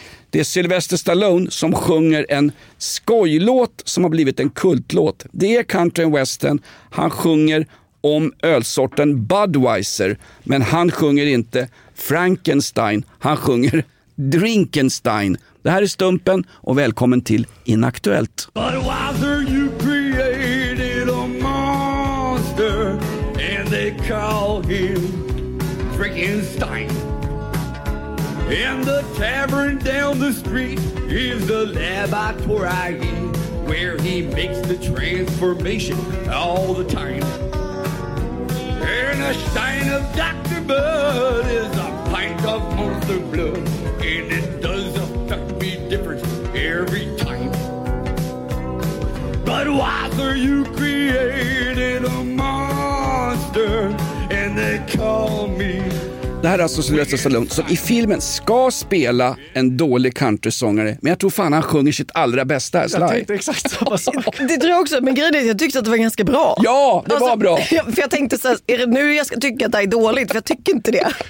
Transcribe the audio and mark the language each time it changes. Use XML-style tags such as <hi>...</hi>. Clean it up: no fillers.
<sv>Det är Sylvester Stallone som sjunger en skojlåt som har blivit en kultlåt. Det är country and western. Han sjunger om ölsorten Budweiser. Men han sjunger inte Frankenstein. Han sjunger Drinkenstein. Det här är Stumpen och välkommen till Inaktuellt.</sv> <en>Budweiser, you created a monster and they call him Frankenstein. And the tavern down the street is the laboratory where he makes the transformation all the time. And a shine of Dr. Bud is a pint of monster blood, and it does affect me different every time. Budweiser, you created a monster and they call me.</en> <sv>Det här är alltså Sylvester Stallone som i filmen ska spela en dålig country-sångare. Men jag tror fan han sjunger sitt allra bästa. Jag tänkte exakt samma sak. Det tror jag också, men grejen är att jag tyckte att det var ganska bra. Ja, det alltså, var bra. För jag tänkte så här, är det nu jag ska tycka att det är dåligt? För jag tycker inte det.</sv>